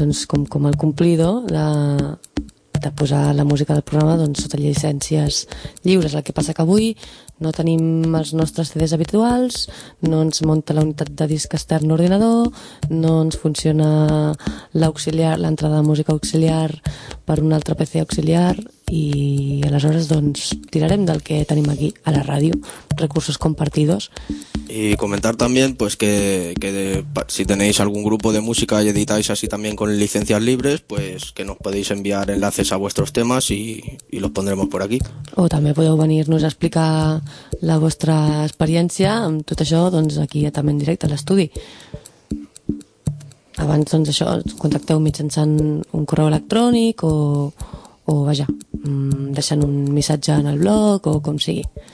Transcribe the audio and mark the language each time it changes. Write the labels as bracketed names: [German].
[Catalan] com el complidor de posar la música del programa doncs sota llicències lliures. El que passa que avui no tenim els nostres CDs habituals, no ens munta la unitat de disc extern ordinador, no ens funciona l'auxiliar, l'entrada de música auxiliar per un altre PC auxiliar, i aleshores doncs tirarem del que tenim aquí a la ràdio, [Spanish] recursos compartidos. Y comentar también pues que si tenéis algún grupo de música y editáis así también con licencias libres, pues que nos podéis enviar enlaces a vuestros temas y los pondremos por aquí. [Catalan] O també podeu venir-nos a explicar la vostra experiència amb tot això doncs aquí també en directe a l'estudi. Abans doncs això, contacteu mitjançant un correu electrònic o vaja, deixant un missatge en el blog o com sigui.